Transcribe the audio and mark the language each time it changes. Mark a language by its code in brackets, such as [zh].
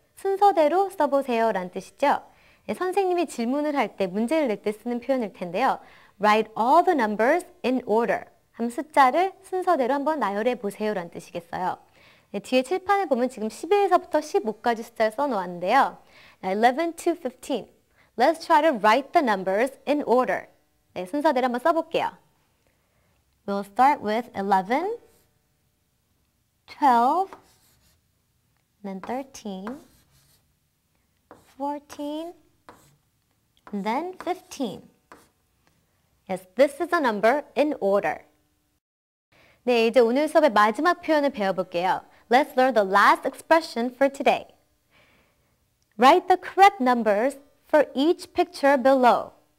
[ko] 순서대로 써보세요. 라는 뜻이죠. 네, 선생님이 질문을 할 때, 문제를 낼때 쓰는 표현일 텐데요. [en] write all the numbers in order. [ko] 한번 숫자를 순서대로 한번 나열해 보세요. 라는 뜻이겠어요. 네, 뒤에 칠판을 보면 지금 11에서부터 15까지 숫자를 써놓았는데요. [en] 11 to 15. Let's try to write the numbers in order. [ko] 네, 순서대로 한번 써볼게요. [en] We'll start with 11, 12, then 13, 14, and then 15. Yes, this is a number in order. [ko] 네, 이제 오늘 수업의 마지막 표현을 배워볼게요. [en] Let's learn the last expression for today. Write the correct numbers for each picture below.